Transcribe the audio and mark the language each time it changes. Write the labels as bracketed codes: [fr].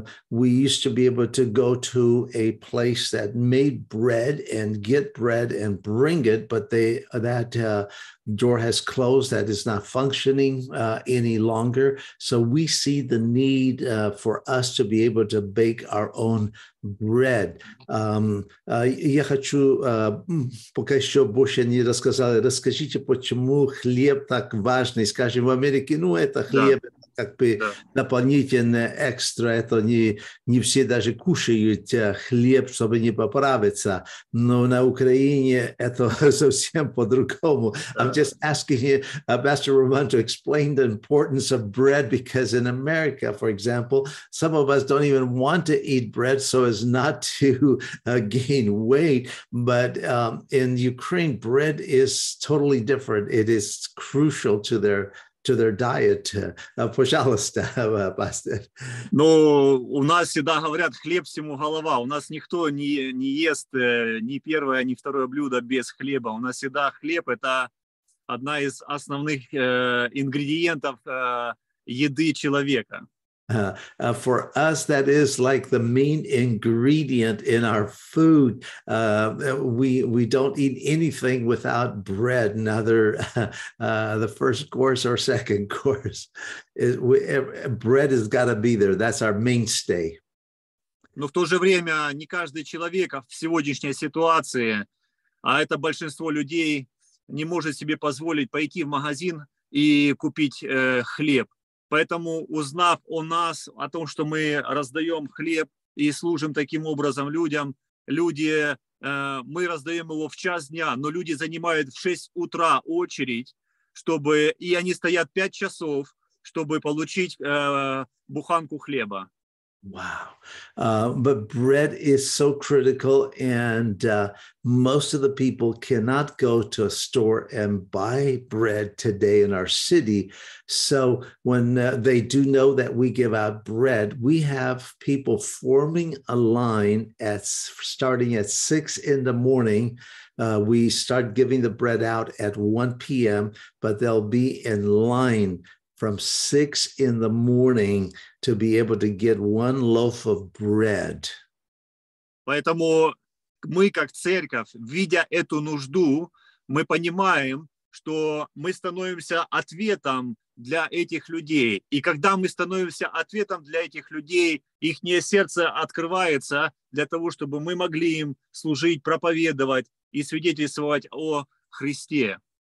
[en] We used to be able to go to a place that made bread and get bread and bring it, but that door has closed, that is not functioning any longer. So we see the need for us to be able to bake our own bread. [ru] Я хочу, пока еще больше не рассказал, расскажите, почему хлеб так важный. Скажем, в Америке, ну, это хлеб. [en] Yeah. [ru] Как бы дополнительно экстра, это не все даже кушают хлеб, чтобы не поправиться. Но на Украине это совсем по-другому. [en] Yeah. I'm just asking you, Pastor Roman, to explain the importance of bread, because in America, for example, some of us don't even want to eat bread so as not to gain weight. But in Ukraine, bread is totally different. It is crucial to their diet. [ru] Пожалуйста, пастор. Ну, у нас всегда говорят, хлеб всему голова. У нас никто не ест ни первое, ни второе блюдо без хлеба. У нас всегда хлеб – это одна из основных ингредиентов еды человека. [en] For us, that is like the main ingredient in our food. We don't eat anything without bread, neither the first course or second course. Bread has got to be there. That's our mainstay. [ru] Но в то же время не каждый человек в сегодняшней ситуации, а это большинство людей, не может себе позволить пойти в магазин и купить хлеб. Поэтому, узнав о нас, о том, что мы раздаем хлеб и служим таким образом людям, мы раздаем его в час дня, но люди занимают в 6 утра очередь, чтобы, и они стоят 5 часов, чтобы получить буханку хлеба. [en] Wow. But bread is so critical, and most of the people cannot go to a store and buy bread today in our city. So when they do know that we give out bread, we have people forming a line at starting at 6 in the morning. We start giving the bread out at 1 p.m., but they'll be in line from 6 in the morning to be able to get one loaf of bread. [ru] Поэтому мы, как церковь, видя эту нужду, мы понимаем, что мы становимся ответом для этих людей. И когда мы становимся ответом для этих людей, их сердце открывается для того, чтобы мы могли им служить, проповедовать и свидетельствовать о Христе.